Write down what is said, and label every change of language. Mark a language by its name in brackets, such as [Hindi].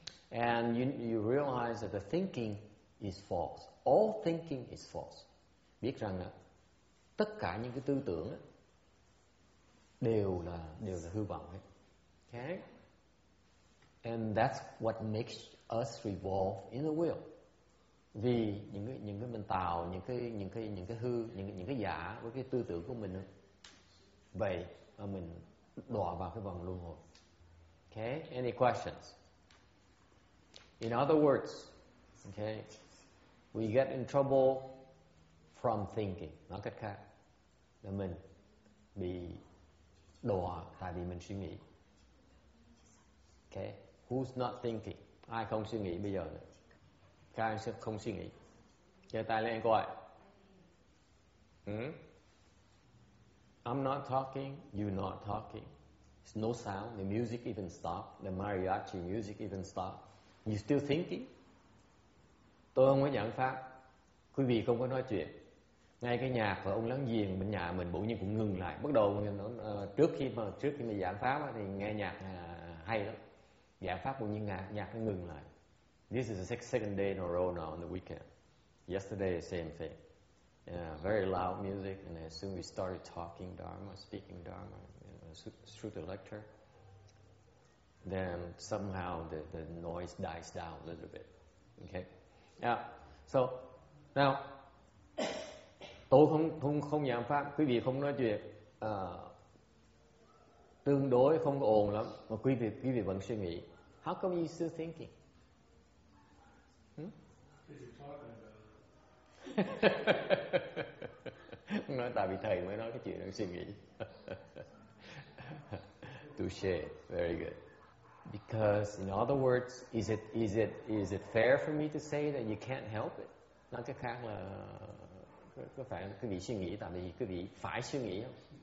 [English] And you realize that the thinking is false. All thinking is false. [Vietnamese] Biết rằng là tất cả những cái tư tưởng đều là hư vọng hết. [English] Okay. And that's what makes us revolve in the wheel. [Vietnamese] Vì những cái mình tạo những cái giả với cái tư tưởng của mình đó. Vậy mà mình đọa vào cái vòng luân hồi. [English] Okay, any questions? In other words, okay, we get in trouble from thinking, [Vietnamese] nói cách khác là mình bị đọa tại vì mình suy nghĩ. [English] Okay, who's not thinking? [Vietnamese] Ai không suy nghĩ bây giờ nữa? Các anh sẽ không suy nghĩ. Giơ tay lên coi. [English] I'm not talking, you're not talking. It's no sound, the music even stopped, the mariachi music even stopped. You still thinking? [Vietnamese] Tôi không có nhận pháp. Quý vị không có nói chuyện. Ngay cái nhạc và ông láng giềng bên nhà mình bỗng nhiên cũng ngừng lại, bắt đầu trước khi mà giảng pháp thì nghe nhạc hay lắm, giảng pháp bỗng nhiên nhạc nó ngừng lại. [English] This is the second day in a row now on the weekend. Yesterday same thing, very loud music, and as soon we started talking dharma, speaking dharma, you know, through the lecture, then somehow the noise dies down a little bit. Okay, yeah, so now [Vietnamese] tôi không giảng pháp, quý vị không nói chuyện, tương đối không có ồn lắm mà quý vị vẫn suy nghĩ. [English] How come you still thinking? [Vietnamese] Nói tại vì thầy mới nói cái chuyện đang suy nghĩ. [English] Touché, very good. Because in other words, is it fair for me to say that you can't help it? [Vietnamese] Nói cách khác là có phải quý vị suy nghĩ tại vì quý vị phải suy nghĩ không?